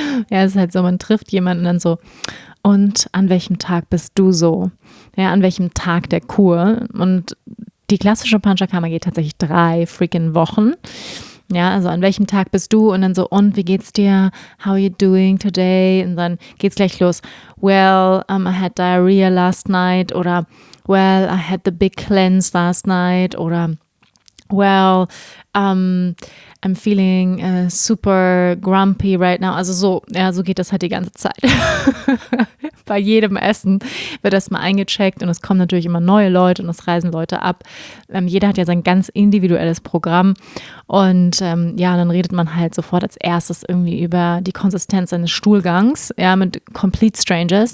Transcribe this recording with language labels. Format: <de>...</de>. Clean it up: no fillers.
<de>Ja, es ist halt so, man trifft jemanden dann so, und an welchem Tag bist du so? Ja, an welchem Tag der Kur? Und die klassische Panchakarma geht tatsächlich 3 freaking Wochen. Ja, also an welchem Tag bist du? Und dann so, und wie geht's dir?</de> <en>How are you doing today?</en> <de>Und dann geht's gleich los.</de> <en>Well, I had diarrhea last night. Oder well, I had the big cleanse last night. Oder well, I'm feeling super grumpy right now.</en> <de>Also so, ja, so geht das halt die ganze Zeit. Bei jedem Essen wird das mal eingecheckt und es kommen natürlich immer neue Leute und es reisen Leute ab. Jeder hat ja sein ganz individuelles Programm und ja, dann redet man halt sofort als erstes irgendwie über die Konsistenz eines Stuhlgangs, ja, mit</de> <en>Complete Strangers.</en>